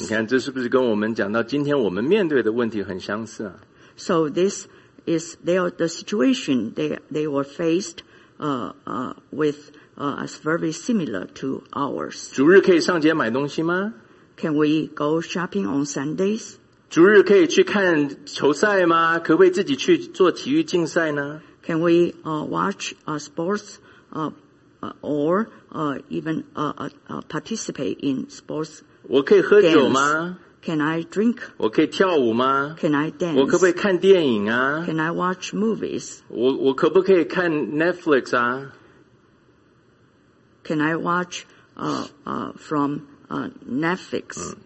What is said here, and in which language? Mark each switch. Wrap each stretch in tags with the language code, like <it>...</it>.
<zh>你看这是不是跟我们讲到今天我们面对的问题很相似啊？</zh> <en>So this is the situation they were faced with is very similar to ours.</en> <zh>主日可以上街买东西吗？</zh> <en>Can we go shopping on Sundays?</en> <zh>主日可以去看球赛吗？可不可以自己去做体育竞赛呢？</zh> <en>Can we watch sports or even participate in sports?</en> <zh>我可以喝酒吗？</zh> <en>Can I drink?</en> <zh>我可以跳舞吗？</zh> <en>Can I dance?</en> <zh>我可不可以看电影啊？</zh> <en>Can I watch movies?</en> <zh>我可不可以看 Netflix 啊？</zh> <en>Can I watch from Netflix?</en>